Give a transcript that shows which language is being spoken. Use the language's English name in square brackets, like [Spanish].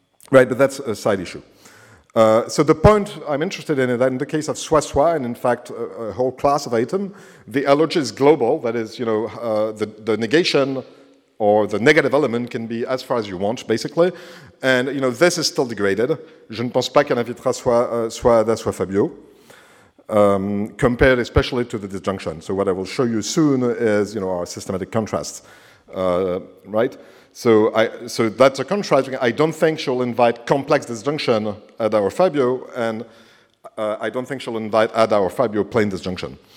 [English] But that's a side issue. So the point I'm interested in is that in the case of Swa-Swa, and in fact a whole class of item, the allergy is global. That is, you know, the negation or the negative element can be as far as you want, basically. And, you know, this is still degraded. [French] Je ne pense pas qu'elle invitera soit Ada, soit Fabio. [English] Compared especially to the disjunction. So what I will show you soon is, you know, our systematic contrast, right? So that's a contrast. I don't think she'll invite complex disjunction Ada or Fabio, and I don't think she'll invite Ada or Fabio plain disjunction.